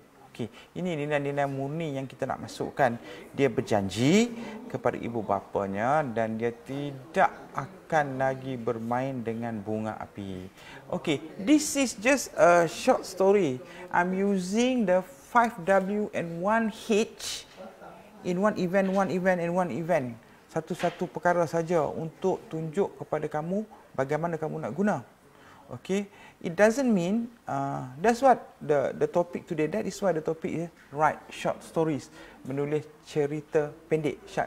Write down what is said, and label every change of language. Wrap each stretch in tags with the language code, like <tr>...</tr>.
<ms>Okay, ini nilai-nilai murni yang kita nak masukkan. Dia berjanji kepada ibu bapanya dan dia tidak akan lagi bermain dengan bunga api.</ms> <en>Okay, this is just a short story. I'm using the 5W and 1H in one event.</en> <ms>Satu-satu perkara saja untuk tunjuk kepada kamu bagaimana kamu nak guna.</ms> <en>Okay, it doesn't mean that's what the topic today. That is why the topic is write short stories,</en> <ms>menulis cerita pendek.</ms>